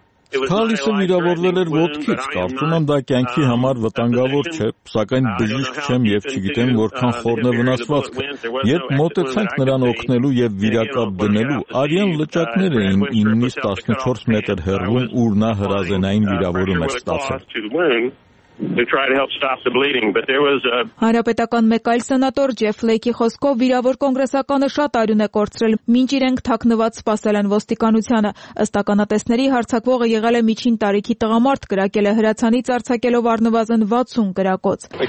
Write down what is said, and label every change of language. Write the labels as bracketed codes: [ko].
[hy] Սքալիզը վիրավորվել էր ոտքից, կարծում եմ դա կյանքի համար վտանգավոր չէ, սակայն բժիշկ չեմ և չգիտեմ որքան խորն է վնասվածքը։ Երբ մոտեցանք նրան օգնելու և վիրակապ դնելու, արյան լճակներ էին 9-ից 14 մետր հեռվում, ուր նա հրազենային վիրավորում էր ստացել։ [en] They try to help stop the bleeding, but there was a [hy] Հանրապետական մեկ այլ սենատոր Ջեֆ Ֆլեյքի խոսքով վիրավոր կոնգրեսականը շատ արյուն է կորցրել, մինչ իրենք թաքնված սպասել են ոստիկանությանը։ Ըստ ականատեսների հարցակվողը եղել է միջին տարիքի տղամարդ, կրակել է հրացանից արձակելով առնվազն 60 կրակոց։